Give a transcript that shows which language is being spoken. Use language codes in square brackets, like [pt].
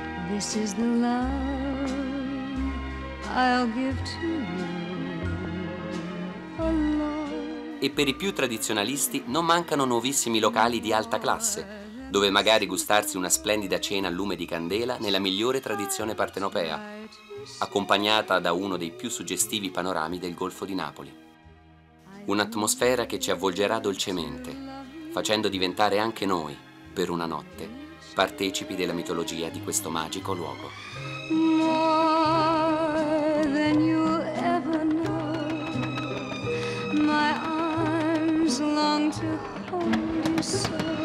[en] This is the love I'll give to you, a love. [it] E per i più tradizionalisti non mancano nuovissimi locali di alta classe, dove magari gustarsi una splendida cena al lume di candela nella migliore tradizione partenopea, accompagnata da uno dei più suggestivi panorami del Golfo di Napoli. Un'atmosfera che ci avvolgerà dolcemente, facendo diventare anche noi, per una notte, partecipi della mitologia di questo magico luogo. [en] More than you ever know, my arms long to hold you so.